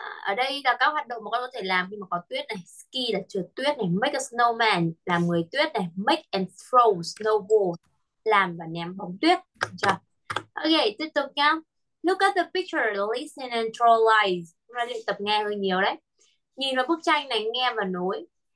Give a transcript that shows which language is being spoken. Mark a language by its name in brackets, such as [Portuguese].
[Vietnamese] Ở đây là các hoạt động mà con có thể làm khi mà có tuyết này. Ski là trượt tuyết này. [English] Make a snowman [Vietnamese] là người tuyết này. [English] Make and throw snowball [Vietnamese] làm và ném bóng tuyết. Ok, tiếp tục nhá. [English] Look at the picture, listen and draw lines. [Vietnamese] Chúng ta luyện tập nghe hơi nhiều đấy. Nhìn vào bức tranh này, nghe và nối.